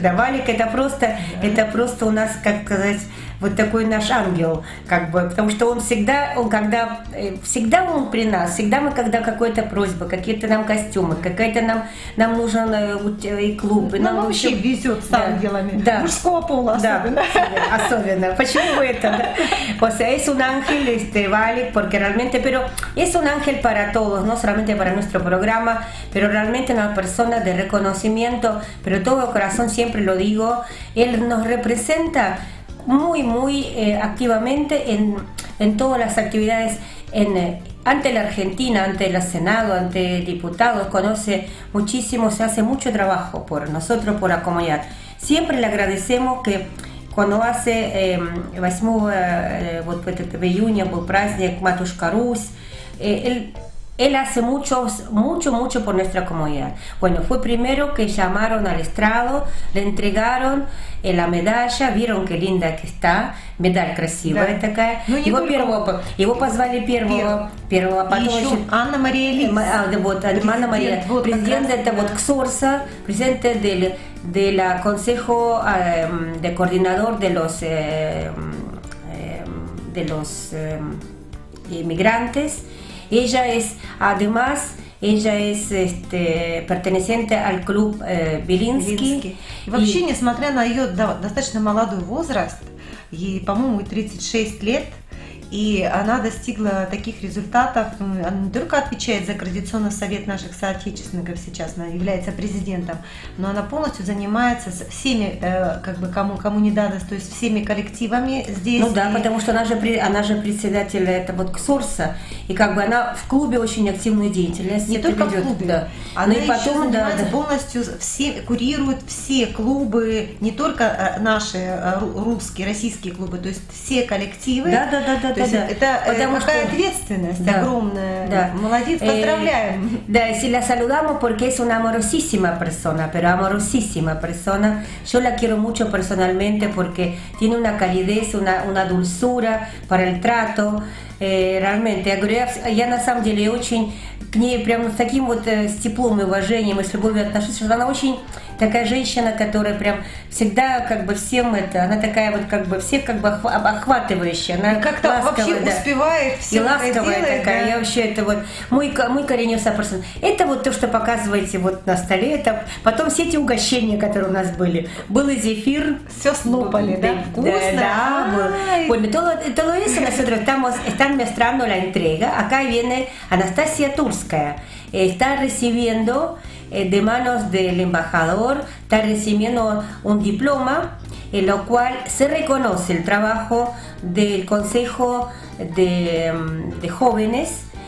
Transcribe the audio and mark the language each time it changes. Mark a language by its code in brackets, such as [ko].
[ru] Да, Валик, это просто, это просто у нас, как сказать, вот такой наш ангел, как бы, потому что он всегда, он когда, всегда он при нас, всегда мы, когда какая-то просьба, какие-то нам костюмы, какая-то нам нужен и клуб. И нам вообще везет с ангелами, да. Мужского пола, да. Особенно. Почему вы это? [es] O sea, es un ángel, vale, porque realmente, pero es un ángel para todos, no solamente para nuestro programa, pero realmente una persona de reconocimiento, pero todo el corazón, siempre lo digo, él nos representa muy, muy activamente en todas las actividades, ante la Argentina, ante el Senado, ante diputados, conoce muchísimo, se hace mucho trabajo por nosotros, por la comunidad. Siempre le agradecemos que cuando hace 8 de junio, por [ru] праздник [es] Матушка Русь, él hace mucho por nuestra comunidad. Bueno, fue primero que llamaron al estrado, le entregaron la medalla, vieron qué linda que está, medal [ru] красивая, да, такая. Ну, его первого, его позвали первого, потом еще Анна Мария Лис. Анна Мария, вот, президент, это вот КСОРСа, президент [es] del Consejo de Coordinador de los inmigrantes. Ella es, además, ella es perteneciente al club Белинский. [ru] И вообще, несмотря на ее достаточно молодой возраст, ей, по-моему, 36 лет, И она достигла таких результатов. Она не только отвечает за координационный совет наших соотечественников сейчас, она является президентом, но она полностью занимается всеми, как бы кому не дадось, то есть всеми коллективами здесь. Ну да, потому что она же председатель этого КСОРСа, и как бы она в клубе очень активную деятельность. Не только ведет, в клубе. Да. Она и потом, еще занимается полностью, все, курирует все клубы, не только наши русские, российские клубы, то есть все коллективы. Да, да, да. Да, то да, есть да. Это такая что ответственность, да, огромная. Да. Молодец, поздравляем. [es] Да, si la saludamos porque es una amorosísima persona, pero amorosísima persona. Yo la quiero mucho personalmente porque tiene una calidez, una dulzura para el trato. [ru] Realmente, я говорю, я на самом деле очень к ней прям с таким вот с теплом и уважением и с любовью отношусь, что она очень такая женщина, которая прям всегда как бы всем это, она такая вот как бы всех как бы обхватывающая, она как-то ласковая, вообще да, успевает все, и ласковая делает, такая, да. Я вообще это вот мой коренью сапорсон, это вот то, что показываете вот на столе, это потом все эти угощения, которые у нас были, был зефир, все слопали, да, вкусно, да, это Луиза Насадрова, там вот [es] están mostrando la entrega. Acá viene Anastasia Turskaya. Está recibiendo de manos del embajador, está recibiendo un diploma, en lo cual se reconoce el trabajo del Consejo de Jóvenes.